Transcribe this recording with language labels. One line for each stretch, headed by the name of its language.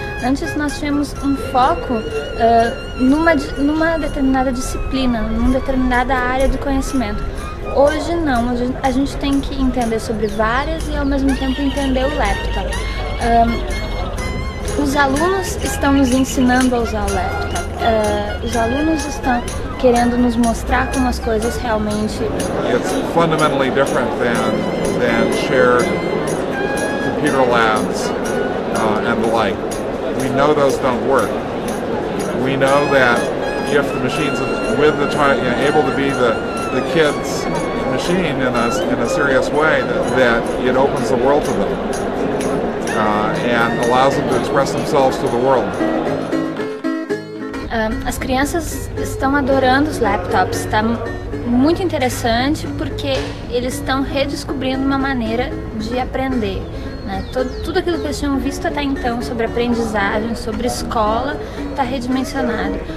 Portuguese: Antes nós tínhamos um foco numa determinada disciplina, numa determinada área de conhecimento. Hoje não, a gente tem que entender sobre várias e ao mesmo tempo entender o laptop. Os alunos estão nos ensinando a usar o laptop. Os alunos estão querendo nos mostrar como as coisas realmente.
English: It's fundamentally different than shared computer labs and the like. We know those don't work. We know that if the machines with the child, you know, able to be the kid's machine in a serious way, that it opens the world to them and allows them to express themselves to the world.
Portuguese: As crianças estão adorando os laptops, está muito interessante porque eles estão redescobrindo uma maneira de aprender. Né? Tudo aquilo que eles tinham visto até então sobre aprendizagem, sobre escola, está redimensionado.